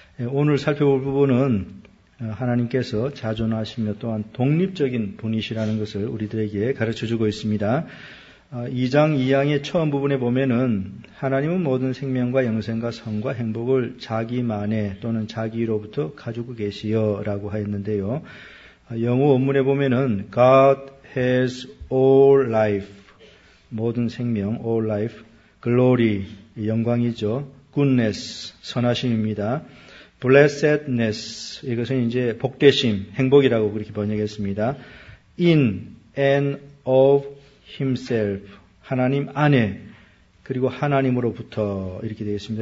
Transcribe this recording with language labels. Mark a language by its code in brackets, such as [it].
[ko] 오늘 살펴볼 부분은 하나님께서 자존하시며 또한 독립적인 분이시라는 것을 우리들에게 가르쳐주고 있습니다. 2장 2항의 처음 부분에 보면은 하나님은 모든 생명과 영생과 성과 행복을 자기만에 또는 자기로부터 가지고 계시어라고 하였는데요. 영어 원문에 보면은 [en] God has all life, [ko] 모든 생명, [en] all life, glory, [ko] 영광이죠. goodness, 선하심입니다. blessedness, 이것은 이제 복되심, 행복이라고 그렇게 번역했습니다. [en] in and of himself, [ko] 하나님 안에, 그리고 하나님으로부터 이렇게 되어 있습니다.